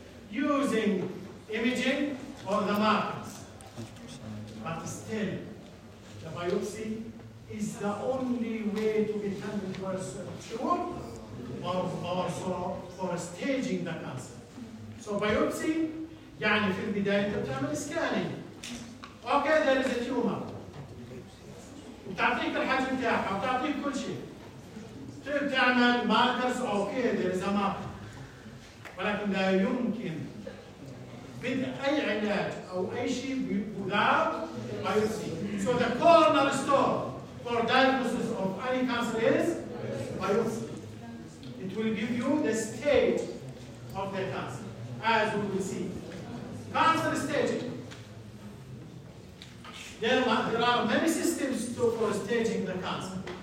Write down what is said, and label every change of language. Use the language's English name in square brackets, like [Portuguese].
[English] using imaging or the markers. But still, the biopsy is the only way to determine for sure or for staging the cancer. So biopsy, [Arabic] يعني في البداية تعمل scanning. [English] Okay, there is a tumor. [Arabic] وتعطيك الحجم بتاعها وتعطيك كل شيء. تعمل [English] markers, okay, there is a marker. [Arabic] ولكن لا يمكن بدء أي علاج أو أي شيء [English] without biopsy. So the corner store for diagnosis of any cancer is biopsy. It will give you the stage of the cancer, as we will see. Cancer staging. There are many systems for staging the cancer.